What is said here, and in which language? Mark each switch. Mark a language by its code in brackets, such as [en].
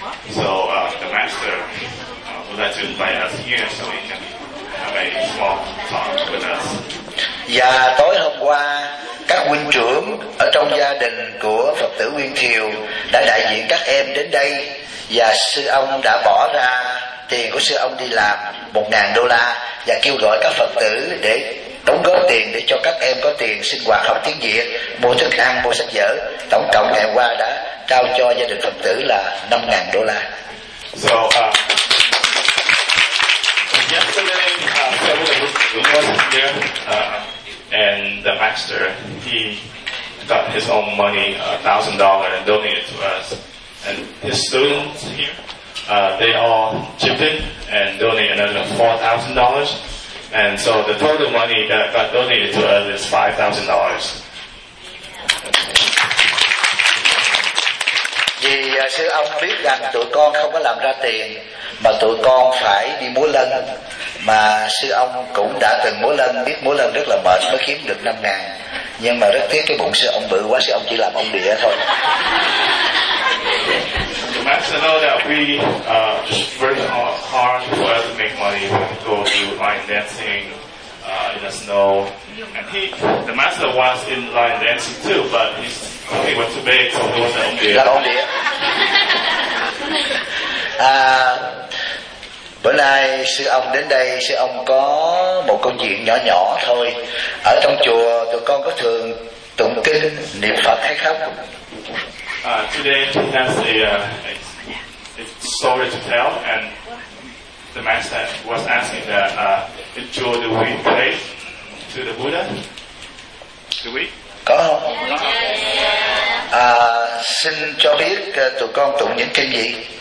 [en] So the Master would like to invite us here so we can have a small talk with us. [vi] Và tối hôm qua, các huynh trưởng ở trong gia đình của Phật tử Nguyên Thiều đã đại diện các em đến đây. Và sư ông đã bỏ ra tiền của sư ông đi làm $1,000 và kêu gọi các Phật tử để đóng góp tiền để cho các em có tiền sinh hoạt học tiếng Việt, mua thức ăn, mua sách vở. Tổng cộng ngày qua đã trao cho gia đình Phật tử là $5,000. [en] So, yesterday, was here, and the master, he got his own money, $1,000, and donated to us. And his students here, they all chipped in and donated another $4,000. And so the total money that got donated to us is $5,000. [vi] Vì sư ông biết rằng tụi con không có làm ra tiền mà tụi con phải đi múa lân, mà sư ông cũng đã từng múa lân, biết múa lân rất là mệt mới kiếm được 5,000. Nhưng mà rất tiếc cái bụng sư ông bự quá, sư ông chỉ làm ông địa thôi. [en] The master know that we work hard for us to make money, go do line dancing in the snow. And the master was in line dancing too, but he was too big, so he was an ombudsman. [vi] Bữa nay sư ông đến đây, sư ông có một câu chuyện nhỏ nhỏ thôi. Ở trong chùa, tụi con có thường tụng kinh niệm Phật hay không? [en] Today he has a story to tell, and the master was asking that in chùa, do we pray to the Buddha? Do we? [vi] Có không? Xin cho biết tụi con tụng những kinh gì?